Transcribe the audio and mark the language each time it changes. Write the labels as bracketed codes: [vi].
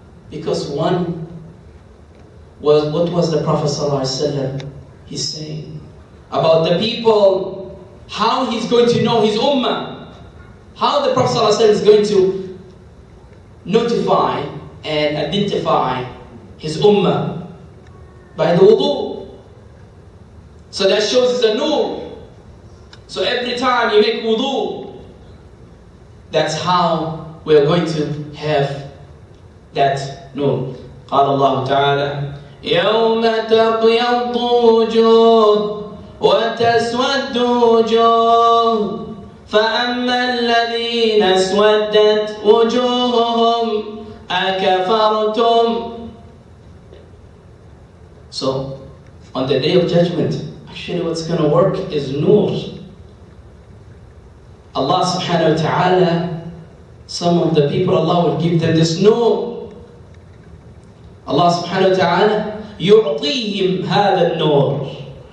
[en] Because one was, what was the Prophet sallallahu alaihi wasallam, he's saying about the people, how he's going to know his ummah, how the Prophet sallallahu alaihi wasallam is going to notify and identify his ummah by the wudu. So that shows it's a nur. So every time you make wudu, that's how we're going to have that nur. [ar] قال الله تعالى يوم تبيض وجوه وتسود وجوه فأما الذين اسودت وجوههم أكفرتم. [en] So on the day of judgment, actually what's going to work is nur. Allah subhanahu wa ta'ala, some of the people, Allah will give them this nur. [ar] Allah subhanahu wa ta'ala يُعْطِيهِمْ هَذَا النُّورِ.